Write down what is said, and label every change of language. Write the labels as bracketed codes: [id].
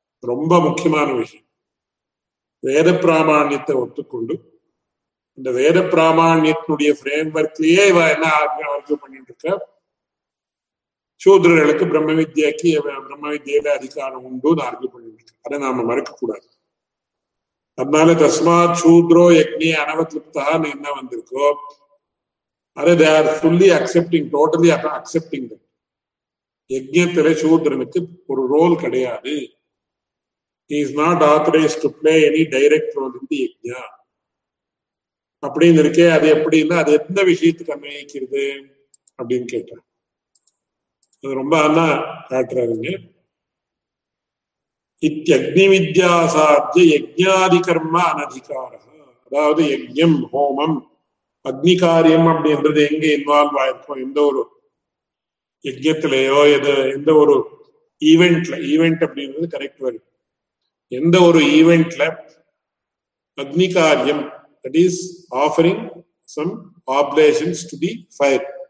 [ta] ரொம்ப முக்கியமான விஷயம். வேத பிராமணியத்தை ஒத்துக்கொண்டு இந்த வேத பிராமணியத்தினுடைய ஃப்ரேம் ஒர்க்லயே இவ என்ன ஆர்கியூ பண்ணிட்டு இருக்க, சூத்ரர்களுக்கு பிரம்ம வித்யாக்கு பிரம்ம வித்யில அதிகாரம் உண்டு ஆர்கியூ பண்ணிட்டு இருக்க, அதை நாம மறக்க கூடாது. அதனால [sa] தஸ்மாத் சூத்ரோ யக்னி அனவத்ருப்தான்னு [ta] என்ன வந்திருக்கோ, அதே [en] they are fully accepting totally accepting the [ta] யஜ்யத்துல சூத்ரனுக்கு ஒரு ரோல் கிடையாது. [en] He is not authorized to play any direct role in the yajna. [ta] அப்படி இருக்கே அது எப்படின்னா, அது எந்த விஷயத்துக்கு அமைக்கிறது அப்படின்னு கேட்டான். அது ரொம்ப அண்ணா காட்டுறாருங்க. [sa] இத்யக்னி வித்யா சாத்ய யஜ்ஞாதி கர்ம அனதிகார. [ta] அதாவது யஜ்யம் ஹோமம் அக்னி காரியம் அப்படின்றது எங்க இன்வால்வ் ஆயிருக்கும், எந்த ஒரு யஜ்யத்திலேயோ எது எந்த ஒரு ஈவெண்ட்ல, ஈவெண்ட் அப்படின்றது கரெக்ட் வரும், எந்த ஒரு ஈவெண்ட்ல அக்னி காரியம் [en] that is offering some oblations to the fire,